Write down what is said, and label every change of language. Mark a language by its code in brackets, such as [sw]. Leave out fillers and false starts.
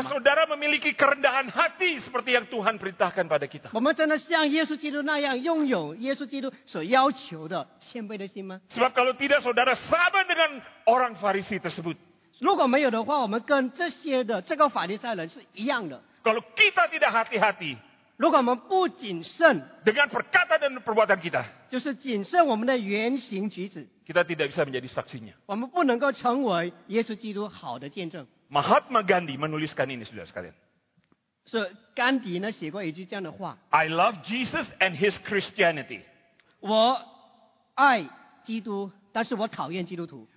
[id] Apakah saudara memiliki kerendahan hati seperti yang Tuhan perintahkan pada kita? [zh] 我们真的像耶稣基督那样拥有耶稣基督所要求的谦卑的心吗? [id] Sebab kalau tidak saudara sama dengan orang Farisi tersebut. [zh] 如果没有的话,我们跟这些的,这个法利赛人是一样的。 [id] Kalau kita tidak hati-hati, [zh] 如果我们不谨慎, [id] dengan perkataan dan perbuatan kita, [zh] 就是谨慎我们的言行举止, [id] kita tidak bisa menjadi saksinya. [zh] 我们不能够成为耶稣基督好的见证。 [id] Mahatma Gandhi menuliskan ini, saudara sekalian. [zh] So, Gandhi呢, 写过一句这样的话, [en] I love Jesus and his Christianity. [zh] 我爱基督, 但是我讨厌基督徒。